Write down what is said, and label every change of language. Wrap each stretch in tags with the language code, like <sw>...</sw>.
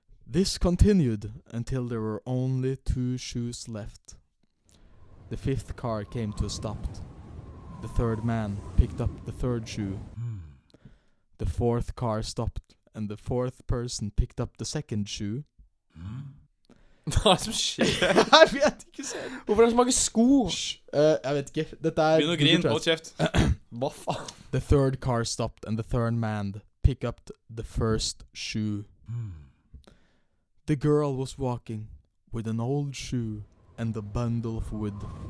<en>This continued until there were only two shoes left. The fifth car came to a stop. The third man picked up the third shoe. The fourth car stopped, and the fourth person picked up the second shoe.</en> <no>Hva som skjer? Jeg vet ikke selv. Hvorfor er det så mange sko? Jeg vet ikke. Dette er... Begynn å grin, hold kjeft. Hva faen?</no> <en>The third car stopped, and the third man picked up the first shoe. The girl was walking with an old shoe and a bundle of wood.</en>